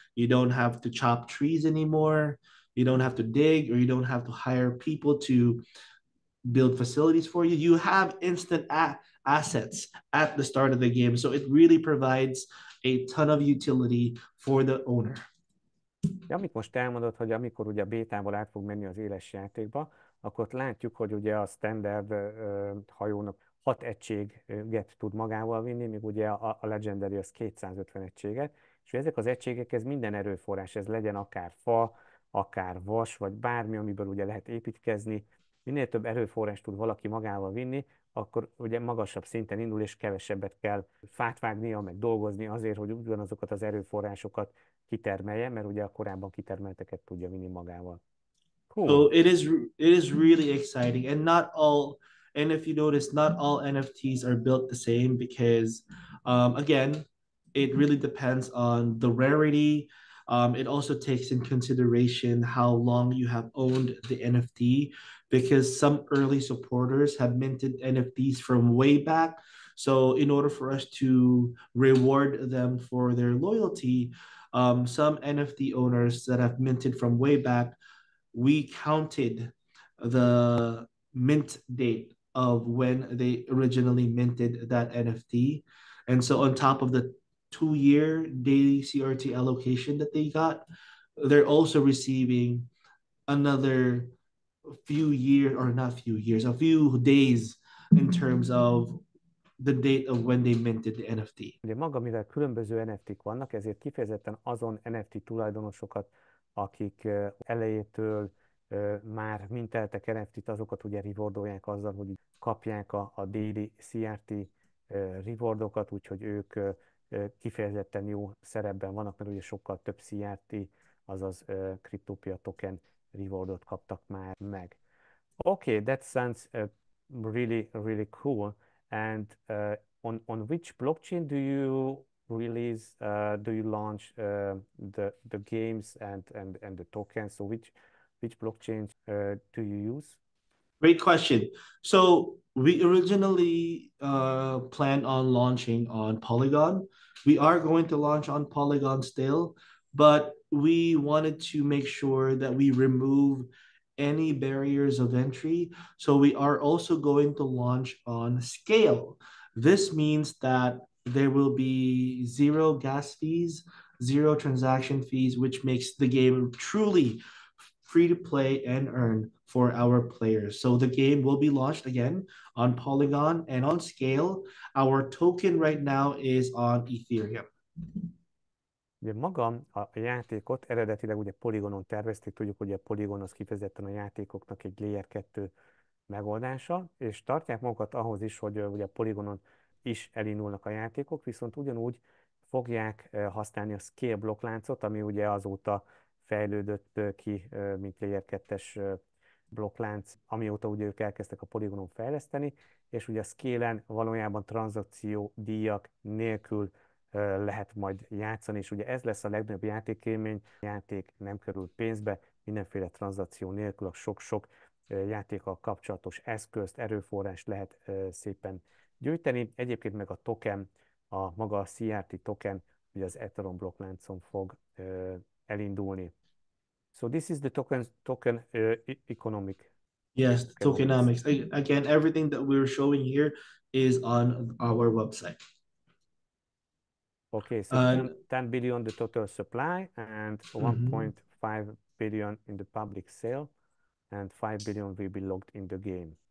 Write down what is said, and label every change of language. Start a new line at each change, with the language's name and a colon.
English: You don't have to chop trees anymore. You don't have to dig, or you don't have to hire people to build facilities for you. You have instant assets at the start of the game. So it really provides a ton of utility for the owner.
Hungarian: Ja, amit most elmondott, hogy amikor ugye a bétával át fog menni az éles játékba, akkor ott látjuk, hogy ugye a standard hajónak 6 egységet tud magával vinni, míg ugye a legendary az 250 egységet. És ezek az egységek, ez minden erőforrás, ez legyen akár fa, akár vas, vagy bármi, amiből ugye lehet építkezni. Minél több erőforrást tud valaki magával vinni, akkor ugye magasabb szinten indul, és kevesebbet kell fát vágnia, meg dolgozni azért, hogy ugyanazokat az erőforrásokat kitermelje, mert ugye a korábban kitermelteket tudja vinni magával.
English: Cool. So it is really exciting, and not all, and if you notice, not all NFTs are built the same, because again, it really depends on the rarity, It also takes in consideration how long you have owned the NFT, because some early supporters have minted NFTs from way back. So in order for us to reward them for their loyalty, some NFT owners that have minted from way back, we counted the mint date of when they originally minted that NFT. And so on top of the 2-year daily CRT allocation that they got, they're also receiving another few years, or not few years, a few days in terms of the date of when they minted the NFT.
Hungarian: Ugye maga, mivel különböző NFT-k vannak, ezért kifejezetten azon NFT tulajdonosokat, akik elejétől már minteltek NFT-t, azokat ugye rewardolják azzal, hogy kapják a daily CRT rewardokat, úgyhogy ők kifejezetten jó szerepben vannak, mert ugye sokkal több CRT, azaz Cryptopia token rewardot kaptak már meg.
English: Okay, that sounds really, really cool. And on which blockchain do you release, do you launch the games and the tokens? So which blockchain do you use? Great question. So we originally plan on launching on Polygon. We are going to launch on Polygon still, but we wanted to make sure that we remove any barriers of entry. So we are also going to launch on Scale. This means that there will be zero gas fees, zero transaction fees, which makes the game truly free to play and earn for our players. So the game will be launched again on Polygon and on Scale. Our token right now is on Ethereum.
Hungarian: Ugye maga a játékot eredetileg ugye Polygonon tervezték, tudjuk, hogy a Polygon az kifejezetten a játékoknak egy Layer 2 megoldása, és tartják magukat ahhoz is, hogy ugye a Polygonon is elindulnak a játékok, viszont ugyanúgy fogják használni a Scale blokkláncot, ami ugye azóta fejlődött ki, mint Layer 2-es blokklánc, amióta ugye ők elkezdtek a Polygonon fejleszteni, és ugye a Scale-en valójában tranzakció díjak nélkül lehet majd játszani, és ugye ez lesz a legnagyobb játékélmény. A játék nem kerül pénzbe, mindenféle tranzakció nélkül a sok-sok játékkal kapcsolatos eszközt, erőforrást lehet szépen gyűjteni. Egyébként meg a token, a maga a CRT token, ugye az Ethereum blokkláncon fog elindulni.
English: So this is the token economic. Yes, tokenomics. Again, everything that we're showing here is on our website. Okay, so 10 billion the total supply and 1.5 billion in the public sale, and 5 billion will be locked in the game.